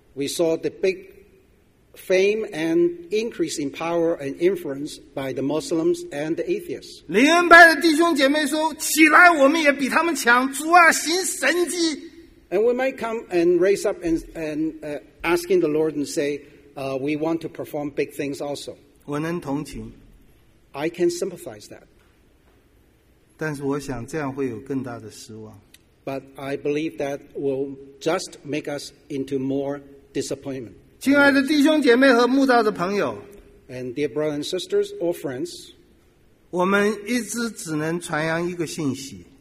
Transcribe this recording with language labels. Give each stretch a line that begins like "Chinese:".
English: We saw the big fame and increase in power and influence by the Muslims and the atheists.
Chinese: 灵恩派的弟兄姐妹说，起来，我们也比他们强，主啊，行神迹。
English: And we might come and raise up and asking the Lord and say, we want to perform big things also.
Chinese: 我能同情。
English: I can sympathize that.
Chinese: 但是我想这样会有更大的失望。
English: But I believe that will just make us into more disappointment.
Chinese: 亲爱的弟兄姐妹和慕道的朋友，
English: and dear brothers and sisters or friends,
Chinese: 我们一直只能传扬一个信息。